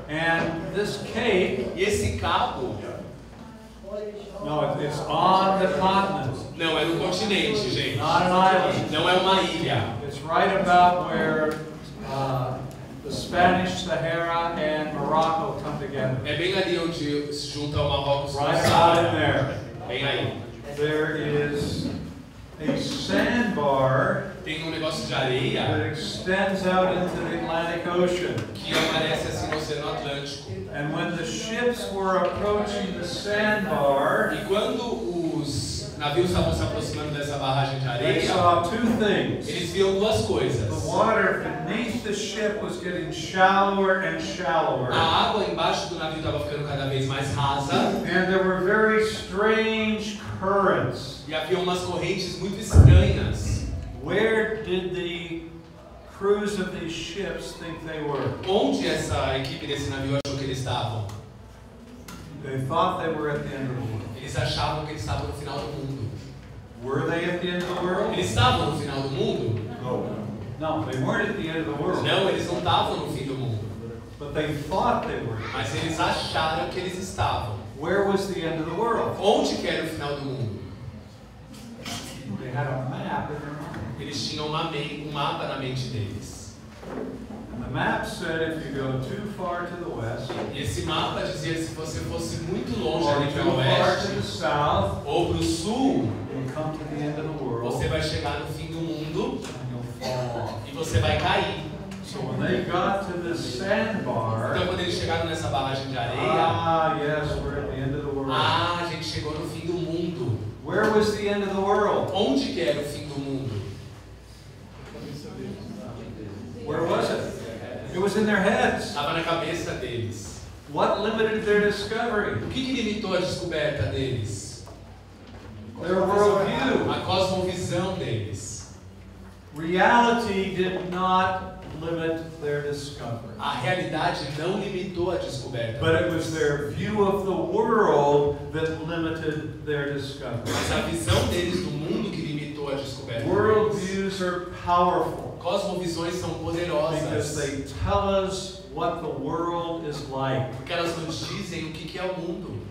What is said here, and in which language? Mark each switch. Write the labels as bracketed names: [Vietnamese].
[English] and this cape, [Portuguese] e esse cabo, [English] no, it's on the continent. [Portuguese] Não, é no continente, gente. [English] Not an island. [Portuguese] Não é uma ilha. [English] It's right about where the Spanish Sahara and Morocco come together. [Portuguese] É bem ali onde se junta o Marrocos. [English] Right out in there. [Portuguese] Bem aí. [English] There is a sandbar. [Portuguese] Tem um negócio de areia [English] that extends out into the Atlantic Ocean. [Portuguese] Que aparece assim no Oceano Atlântico. [English] And when the ships were approaching the sandbar, [Portuguese] e quando os navios estavam se aproximando dessa barragem de areia, [English] they saw two things. [Portuguese] Eles viram duas coisas. [English] The water beneath the ship was getting shallower and shallower. [Portuguese] A água embaixo do navio estava ficando cada vez mais rasa. [English] And there were very strange currents. [Portuguese] E havia umas correntes muito estranhas. [English] Where did the crews of these ships think they were? [Portuguese] Onde essa equipe desse navio achou que eles estavam? [English] They thought they were at the end of the world. [Portuguese] Eles achavam que eles estavam no final do mundo. [English] Were they at the end of the world? [Portuguese] Eles estavam no final do mundo? [English] No. No, they weren't at the end of the world. [Portuguese] Não, eles não estavam no fim do mundo. [English] But they thought they were. [Portuguese] Mas eles acharam que eles estavam. [English] Where was the end of the world? [Portuguese] Onde que era o final do mundo? [English] They had a map. [Portuguese] Eles tinham um mapa na mente deles. [English] The map said if you go too far to the west, [Portuguese] e esse mapa dizia se você fosse muito longe ali para o oeste, [English] to the south, [Portuguese] ou para o sul, [English] you'll come to the end of the world, [Portuguese] você vai chegar no fim do mundo [English] and you'll fall off. [Portuguese] E você vai cair. [English] So when they got to the sandbar, [Portuguese] então quando eles chegaram nessa barragem de areia, [English] yes, we're at the end of the world. [Portuguese] A gente chegou no fim do mundo. [English] Where was the end of the world? [Portuguese] Onde que era o fim do mundo? [English] Where was it? It was in their heads. [Portuguese] Estava na cabeça deles. [English] What limited their discovery? [Portuguese] O que limitou a descoberta deles? [English] Their worldview. [Portuguese] A cosmovisão deles. [English] Reality did not limit their discovery. [Portuguese] A realidade não limitou a descoberta. [English] But it was their view of the world that limited their discovery. [Portuguese] Mas a visão deles do mundo que limitou a descoberta. [English] Worldviews are powerful. [Portuguese] Cosmovisões são poderosas. [English] Because they tell us what the world is like. [Portuguese] Porque elas nos dizem o que é o mundo.